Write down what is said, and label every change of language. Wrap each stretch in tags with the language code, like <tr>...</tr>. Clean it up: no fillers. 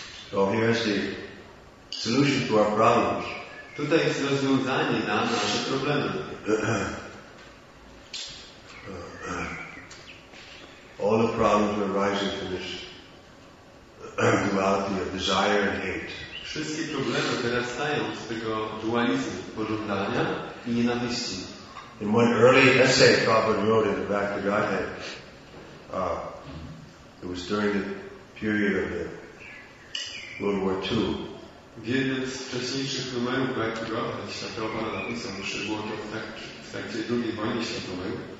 <en>So here is the solution to our problems.</en> <pl>Tutaj jest rozwiązanie na nasze problemy.</pl> <en>All the problems are arising from this duality of desire and hate.</en> <pl>Wszystkie problemy wyrastają z tego dualizmu pożądania i nienawiści.</pl> <en>In one early essay Prabhupada wrote in the Bhakti Godhead, it was during the period of the World War II.</en> <pl>W jednym z wcześniejszych numerów Bhakti Godhead światowa napisał, że było to w trakcie II wojny światowej.</pl>